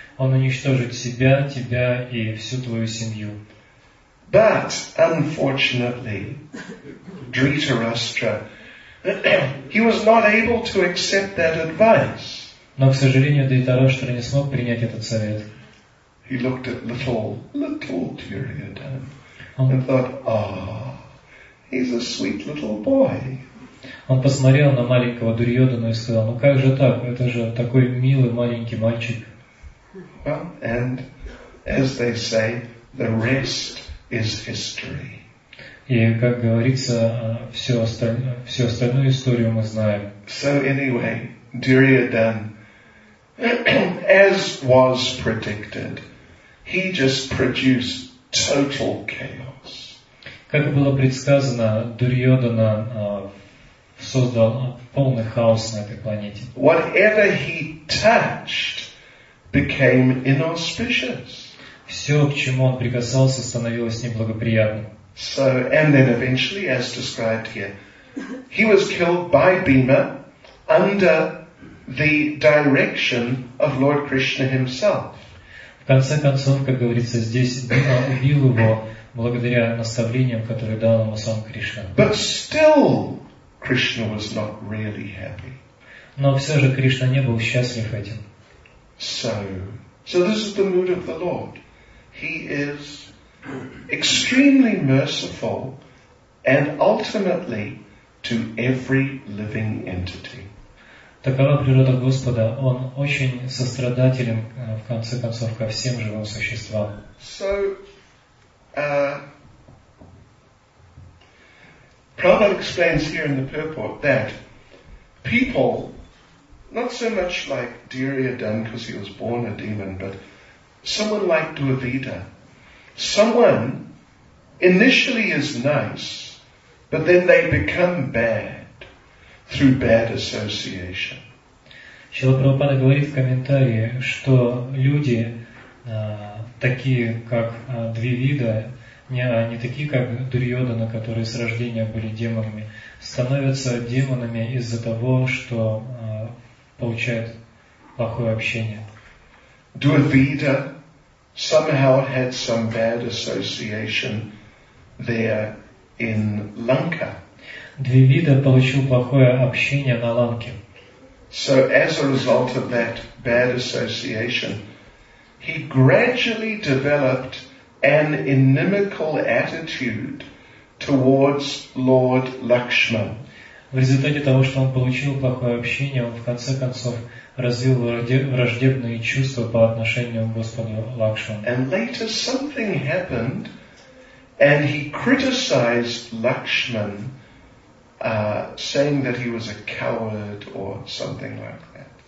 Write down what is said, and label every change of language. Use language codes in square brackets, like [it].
[ru] Он уничтожит себя, тебя и всю твою семью. [en] But unfortunately, Dhritarashtra, he was not able to accept that advice. [ru] Но, к сожалению, Дхритараштра не смог принять этот совет. [en] He looked at little Duryodhana and thought, "Oh, he's a sweet little boy." [ru] Он посмотрел на маленького Дурьодхану и сказал, "Ну как же так? Это же такой милый маленький мальчик." [en] Well, and as they say, the rest is history. [ru] И как говорится, всю остальную историю мы знаем. [en] So anyway, Duryodhan, as was predicted, he just produced total chaos. [ru] Как было предсказано, Дурьодхана создал полный хаос на этой планете. [en] Whatever he touched became inauspicious. [ru] Все, к чему он прикасался, становилось неблагоприятным. [en] So, and then eventually, as described here, he was killed by Bhima under the direction of Lord Krishna himself. [ru] В конце концов, как говорится здесь, Бхима убил его благодаря наставлениям, которые дал ему сам Кришна. [en] But still, Krishna was not really happy. [ru] Но все же Кришна не был счастлив этим. [en] So this is the mood of the Lord. He is extremely merciful and ultimately to every living entity. [ru] Такова природа Господа. Он очень сострадателен, в конце концов, ко всем живым существам. [en] So, Prabhupada explains here in the purport that people, not so much like Duryodhana because he was born a demon, but someone like Duvida. Someone initially is nice, but then they become bad through bad association. [ru] Шрила Прабхупада говорит в комментарии, что люди, такие как Двивида, не такие как Дурьодана, которые с рождения были демонами, становятся демонами из-за того, что получают плохое общение. [en] Двивида somehow had some bad association there in Lanka. [ru] Двивида получил плохое общение на Ланке. [en] So as a result of that bad association, he gradually developed an inimical attitude towards Lord Lakshman. [ru] В результате того, что он получил плохое общение, он в конце концов развил враждебные чувства по отношению к Господу Лакшману. [en] And later something happened, and he criticized Lakshman, saying that he was a coward or something like that.